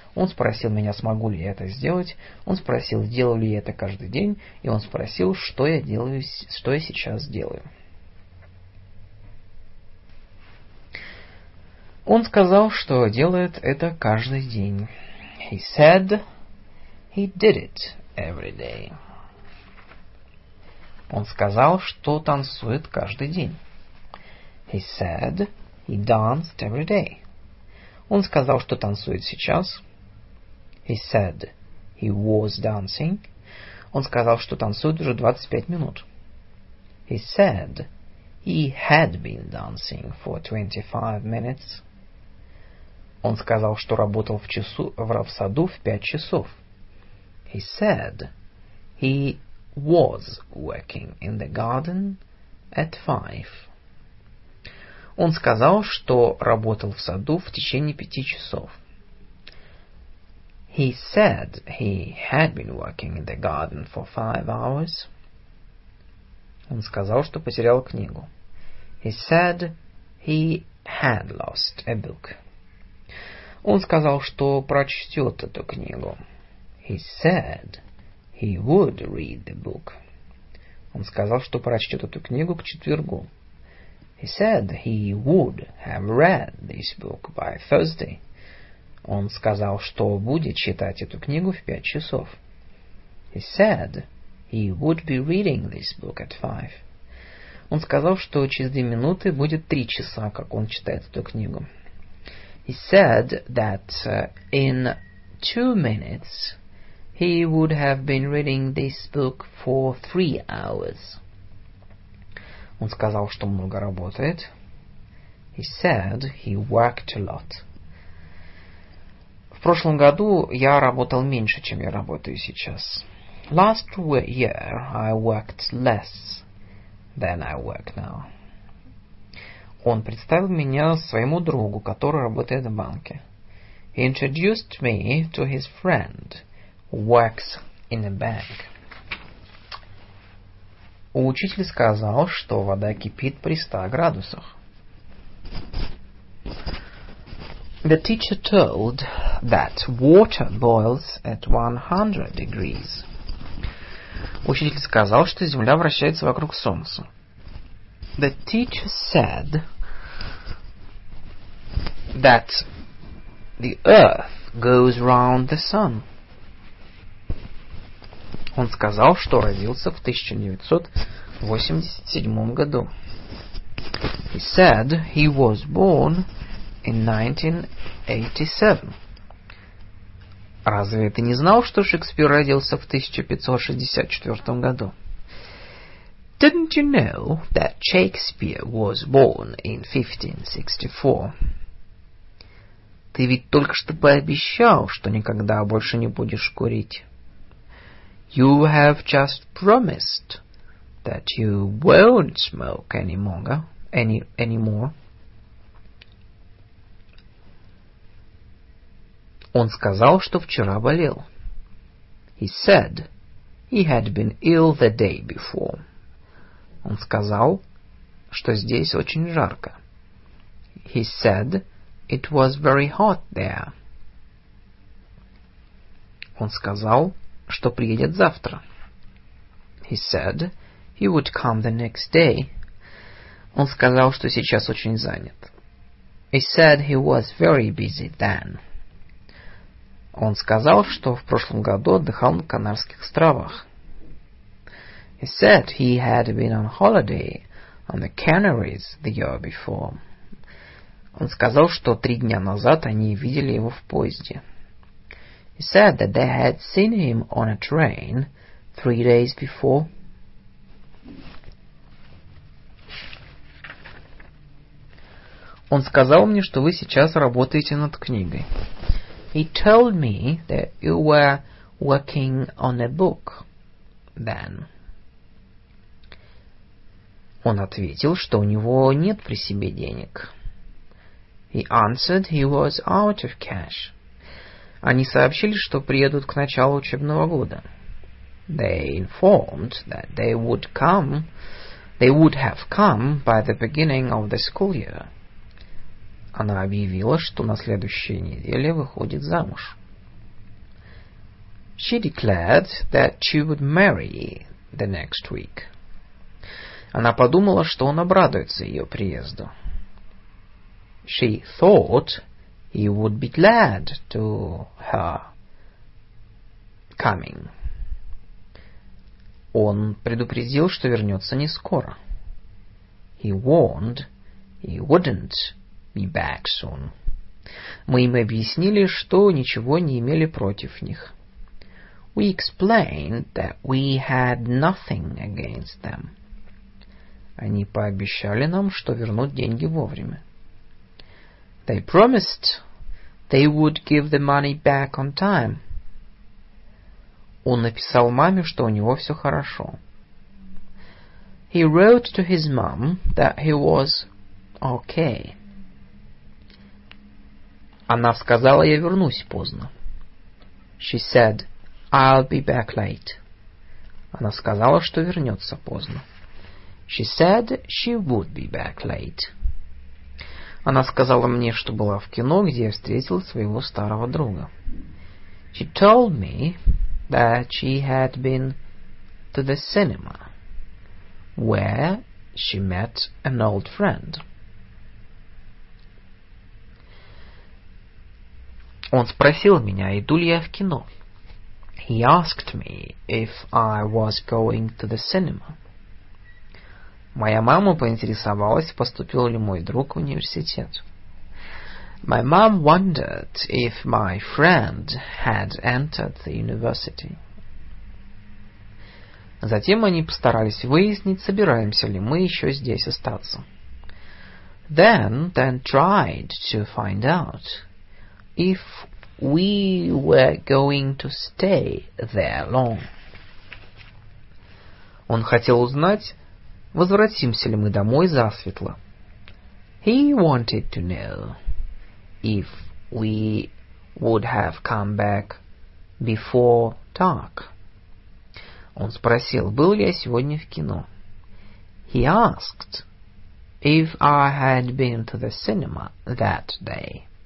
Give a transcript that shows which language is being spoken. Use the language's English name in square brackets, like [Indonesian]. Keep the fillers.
[Russian] Он спросил меня, смогу ли я это сделать. Он спросил, делаю ли я это каждый день. И он спросил, что я делаю, что я сейчас делаю. Он сказал, что делает это каждый день. [English] He said he did it every day. [Russian] Он сказал, что танцует каждый день. [English] He said he danced every day. [Russian] Он сказал, что танцует сейчас. [English] He said he was dancing. [Russian] Он сказал, что танцует уже 25 минут. [English] He said he had been dancing for 25 minutes. [Russian] Он сказал, что работал в, часу, в саду в пять часов. [English] He said he was working in the garden at five. [Russian] Он сказал, что работал в саду в течение пяти часов. [English] He said he had been working in the garden for five hours. [Russian] Он сказал, что потерял книгу. [English] He said he had lost a book. [Russian] Он сказал, что прочтет эту книгу. [English] He said he would read the book. [Russian] Он сказал, что прочтет эту книгу к четвергу. [English] He said he would have read this book by Thursday. [Russian] Он сказал, что будет читать эту книгу в пять часов. [English] He said he would be reading this book at five. [Russian] Он сказал, что через две минуты будет три часа, как он читает эту книгу. [English] He said that uh, in two minutes he would have been reading this book for three hours. [Russian] Он сказал, что много работает. [English] He said he worked a lot. [Russian] В прошлом году я работал меньше, чем я работаю сейчас. [English] Last year I worked less than I work now. [Russian] Он представил меня своему другу, который работает в банке. [English] He introduced me to his friend who works in a bank. [Russian] Учитель сказал, что вода кипит при 100 градусах. [English] The teacher told that water boils at 100 degrees. [Russian] Учитель сказал, что Земля вращается вокруг Солнца. [English] The teacher said that the earth goes round the sun. [Russian] Он сказал, что родился в 1987 году. [English] He said he was born in 1987. [Russian] Разве ты не знал, что Шекспир родился в 1564 году? [English] Didn't you know that Shakespeare was born in 1564? [Russian] Ты ведь только что пообещал, что никогда больше не будешь курить. [English] You have just promised that you won't smoke any longer, any anymore. [Russian] Он сказал, что вчера болел. [English] He said he had been ill the day before. [Russian] Он сказал, что здесь очень жарко. [English] He said it was very hot there. [Russian] Он сказал, что приедет завтра. [English] He said he would come the next day. [Russian] Он сказал, что сейчас очень занят. [English] He said he was very busy then. [Russian] Он сказал, что в прошлом году отдыхал на Канарских островах. [English] He said he had been on holiday on the Canaries the year before. [Russian] Он сказал, что три дня назад они видели его в поезде. [English] He said that they had seen him on a train three days before. [Russian] Он сказал мне, что вы сейчас работаете над книгой. [English] He told me that you were working on a book then. [Russian] Он ответил, что у него нет при себе денег. [English] He answered he was out of cash. [Russian] Они сообщили, что приедут к началу учебного года. [English] They informed that they would come, they would have come by the beginning of the school year. [Russian] Она объявила, что на следующей неделе выходит замуж. [English] She declared that she would marry the next week. [Russian] Она подумала, что он обрадуется ее приезду. [English] She thought he would be glad to her coming. [Russian] Он предупредил, что вернется не скоро. [English] He warned he wouldn't be back soon. [Russian] Мы им объяснили, что ничего не имели против них. [English] We explained that we had nothing against them. [Russian] Они пообещали нам, что вернут деньги вовремя. [English] They promised they would give the money back on time. [Russian] Он написал маме, что у него все хорошо. [English] He wrote to his mom that he was okay. [Russian] Она сказала, я вернусь поздно. [English] She said, I'll be back late. [Russian] Она сказала, что вернется поздно. [English] She said she would be back late. [Russian] Она сказала мне, что была в кино, где я встретил своего старого друга. [English] She told me that she had been to the cinema, where she met an old friend. [Russian] Он спросил меня, иду ли я в кино. [English] He asked me if I was going to the cinema. [Russian] Моя мама поинтересовалась, поступил ли мой друг в университет. [English] My mom wondered if my friend had entered the university. [Russian] Затем они постарались выяснить, собираемся ли мы еще здесь остаться. [English] Then they tried to find out if we were going to stay there long. [Russian] Он хотел узнать, возвратимся ли мы домой засветло. [English] He wanted to know if we would have come back before dark. [Russian] Он спросил, был ли я сегодня в кино. [English] He asked if I had been to the cinema that day.